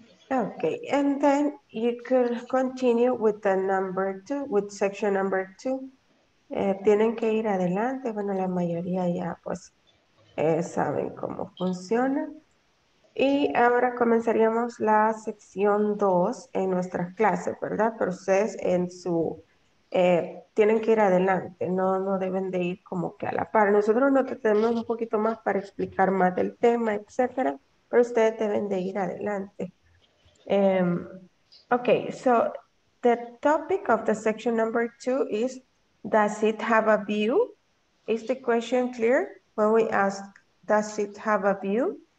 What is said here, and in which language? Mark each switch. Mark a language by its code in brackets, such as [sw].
[en] Okay, and then you could continue with the number two, with section number two. [es] Tienen que ir adelante. Bueno, la mayoría ya pues saben cómo funciona. Y ahora comenzaríamos la sección dos en nuestra clase, ¿verdad? Pero ustedes tienen que ir adelante. No deben de ir como que a la par. Nosotros nos detenemos un poquito más para explicar más del tema, etcétera. Pero ustedes deben de ir adelante. [en] Okay, so the topic of the section number two is, does it have a view? Is the question clear when we ask, does it have a view?